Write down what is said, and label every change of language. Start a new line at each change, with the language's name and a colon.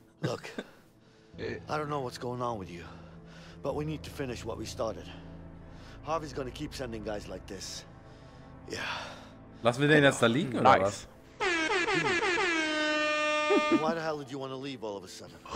English: Look, I don't know what's going on with you, but we need to finish what we started. Harvey's gonna keep sending guys like this. Yeah.
German: Lassen wir den jetzt da liegen, oder was?
English: Why the hell did you want to leave all of a sudden?